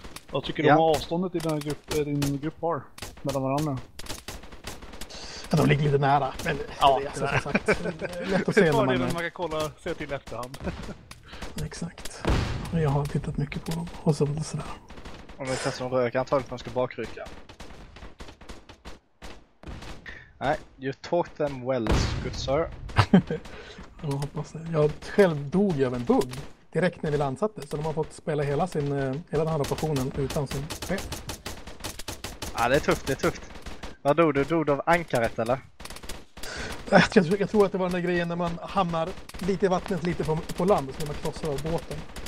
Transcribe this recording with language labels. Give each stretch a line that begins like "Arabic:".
Swedish: Vad tycker du om avståndet i den här din grupp har mellan varandra? Ja, de ligger lite nära, men ja, det är lätt att se när man... Man kan kolla, se till efterhand. Exakt. Jag har tittat mycket på dem och så sådär. Om vi testar dem röka, antagligen att de ska bakrycka.
English: Nej, you taught them well, good sir.
Swedish: Jag hoppas det. Jag själv dog av en bugg direkt när vi landsatte, så de har fått spela hela sin hela den här operationen utan sin chef. Ja, det är tufft, det är tufft. Vad dog du? Dog du av ankaret eller? Jag tror att det var den där grejen när man hamnar lite i vattnet, lite på land, så när man krossar av båten.